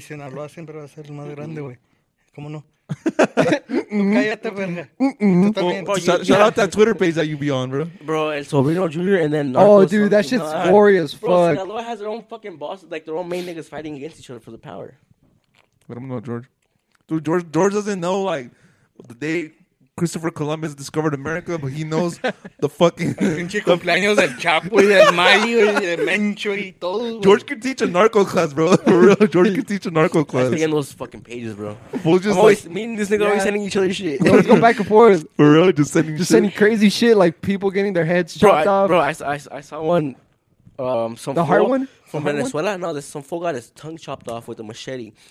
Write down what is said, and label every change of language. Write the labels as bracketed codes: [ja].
[es] Sinaloa siempre va a ser el más grande, güey. ¿Cómo no? Cállate, verga. [en] Shout out that Twitter page that you be on, bro. Bro, El Sobrino Jr. and then... Oh, dude, that shit's gory as fuck. Bro, Sinaloa has their own fucking boss, like their own main niggas fighting against each other for the power. Let him know, George. Dude, George doesn't know, like, the day... Christopher Columbus discovered America, but he knows the fucking... [es] Pinche cumpleaños del Chapo y del Mayo y del Mencho y todo. [en] George can teach a narco class, bro. For real, George can teach a narco class. I'm those fucking pages, bro. We'll just always, like, me and this nigga always sending each other shit. Let's go back and forth. For real, just sending just sending crazy shit, like people getting their heads chopped off. Bro, I saw one... some the hard one? From Venezuela? No, there's some fool got his tongue chopped off with a machete.